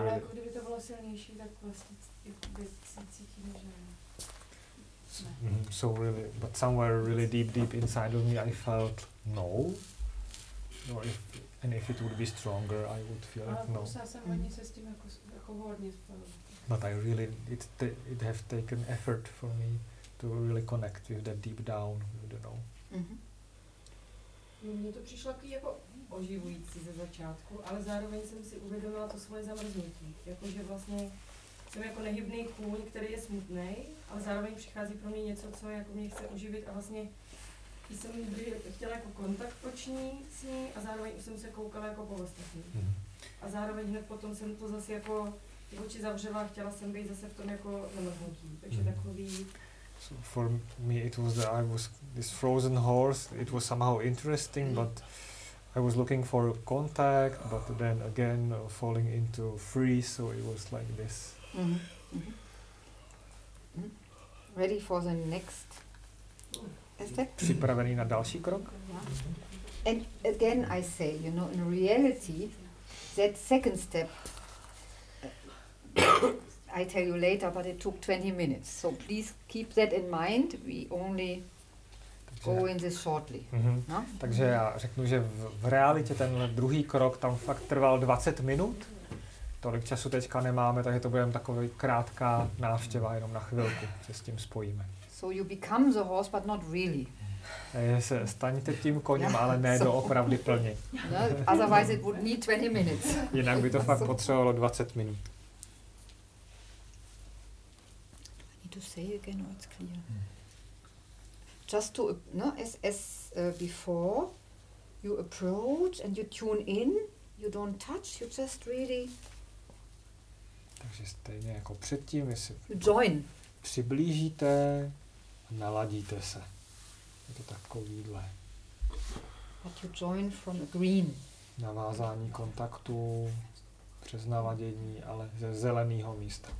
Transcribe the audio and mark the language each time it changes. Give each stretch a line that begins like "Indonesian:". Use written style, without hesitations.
Czech: Ale jako kdyby to bylo silnější, tak vlastně se cítím, že ne.
English: So really, but somewhere really deep inside of me, I felt no. Or if, and if it would be stronger, I would feel like no. But I really, it have taken effort for me to really connect with that deep down, you don't know.
Czech: Mně to přišlo taky jako oživující ze začátku, ale zároveň jsem si uvědomila to svoje zamrznutí, jakože vlastně jsem jako nehybný kůň, který je smutný, ale zároveň přichází pro mě něco, co jako mě chce oživit a vlastně jsem chtěla jako kontakt oční s ní a zároveň jsem se koukala jako po ostatní. A zároveň hned potom jsem to zase jako ty oči zavřela a chtěla jsem být zase v tom jako nemrhnutí. Takže takový.
English: So for me it was that I was this frozen horse, it was somehow interesting, but I was looking for contact, but then again falling into freeze, so it was like this. Ready for the next step?
Czech: Připravený na další krok?
English: And again I say, you know, in reality, that second step, I tell you later, but it took 20 minutes. So please keep that in mind, we only go in this shortly. No?
Czech: Takže já řeknu, že v realitě ten druhý krok tam fakt trval 20 minut. Tolik času teďka nemáme, takže to bude taková krátká návštěva, jenom na chvilku se s tím spojíme.
English: So you become the horse, but not really.
Czech: Se staňte tím koněm, ale ne doopravdy plně.
English: Otherwise it would need 20 minutes.
Czech: Jinak by to fakt potřebovalo 20 minut.
English: I need to say again, or it's clear. Just to, no, as before, you approach and you tune in, you don't touch, you just really.
Czech: Takže stejně jako předtím, vy se
English: join.
Czech: Přiblížíte a naladíte se. Je to takovýhle.
English: But you join from a green.
Czech: Navázání kontaktu přes naladění, ale ze zeleného místa.